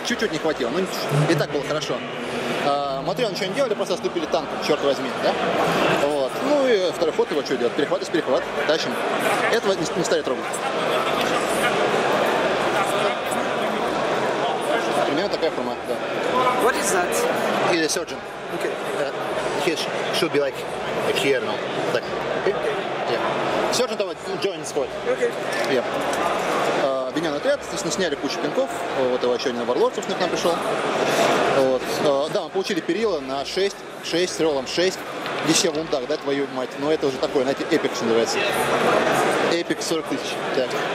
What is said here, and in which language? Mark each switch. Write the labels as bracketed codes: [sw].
[ru] Чуть-чуть не хватило, но и так было хорошо. Матрёны ничего не делали, просто отступили танком, черт возьми, да? Вот. Ну и второй ход его что делает? Перехват из перехват, тащим. Этого не стали трогать. Примерно такая форма, да. [en] What is that? He's a surgeon. Okay. He should be like here now. Like, okay. Yeah. Surgeon [ru] там [en] joined the squad. Okay. Yeah. [ru] Объединенный отряд, соответственно, сняли кучу пинков. Вот его еще один варлорд, собственно, к нам пришел. Вот. Да, мы получили перила на 6 с роллом 6. Еще вон так, да, твою мать. Но это уже такое, знаете, эпик называется. Эпик 40 тысяч. Так.